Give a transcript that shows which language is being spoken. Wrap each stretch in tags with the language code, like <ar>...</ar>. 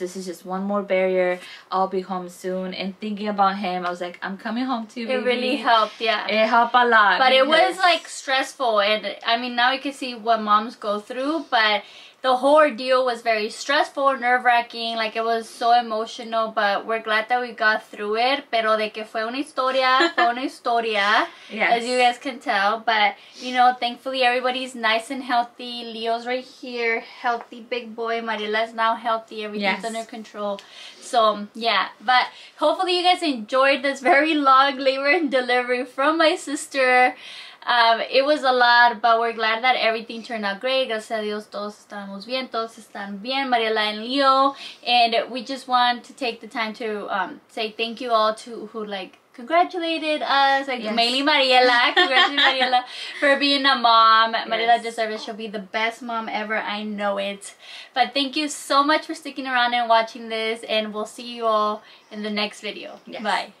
<en>This is just one more barrier. I'll be home soon. And thinking about him, I was like, I'm coming home too, baby. It really helped, yeah. It helped a lot. But it was, like, stressful. And, I mean, now you can see what moms go through. But the whole ordeal was very stressful, nerve-wracking. Like, it was so emotional. But we're glad that we got through it.</en> <es>Pero de que fue una historia, fue una historia.</es> <en>Yes. As you guys can tell. But, you know, thankfully, everybody's nice and healthy. Leo's right here. Healthy big boy. Mariela's now healthy. Everything's under control. So, yeah. But hopefully, you guys enjoyed this very long labor and delivery from my sister. It was a lot, but we're glad that everything turned out great.</en> <es>Gracias a Dios, todos estamos bien, todos están bien, Mariela and Leo.</es> <en>And we just want to take the time to say thank you all to who, like, congratulated us. Like, yes. Mainly Mariela. Congratulations, Mariela, for being a mom. Yes. Mariela deserves it. She'll be the best mom ever. I know it. But thank you so much for sticking around and watching this. And we'll see you all in the next video. Yes. Bye.</en>